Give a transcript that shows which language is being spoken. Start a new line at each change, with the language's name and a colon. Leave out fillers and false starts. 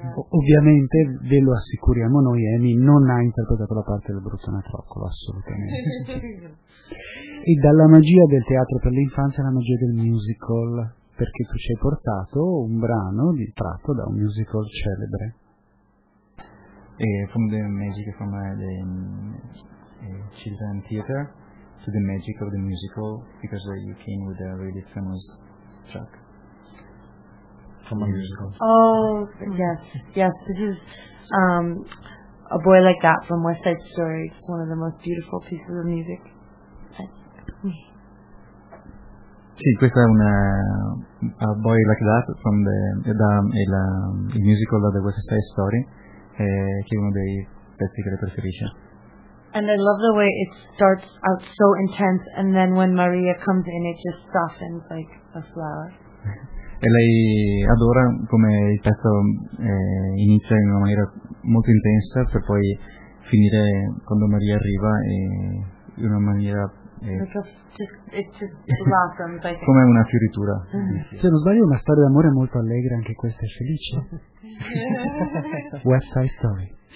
Italian: Ovviamente, ve lo assicuriamo noi, Emi non ha interpretato la parte del Brutto Anatroccolo, assolutamente. E dalla magia del teatro per l'infanzia alla magia del musical, perché tu ci hai portato un brano tratto da un musical celebre.
English: From the magic from the children theater to the magic of the musical, because you came with a really famous track. Oh, yes, this is A Boy Like That from West Side Story. It's one of the most beautiful pieces of music.
Italian: Sì, questa è una A Boy Like That from il musical The West Side Story, che è uno dei pezzi che le preferisce.
English: And I love the way it starts out so intense, and then when Maria comes in it just softens like a flower.
Italian: E lei adora come il pezzo inizia in una maniera molto intensa per poi finire quando Maria arriva in una maniera come una fioritura. Se non sbaglio, una storia d'amore molto allegra, anche questa è felice. West Side Story.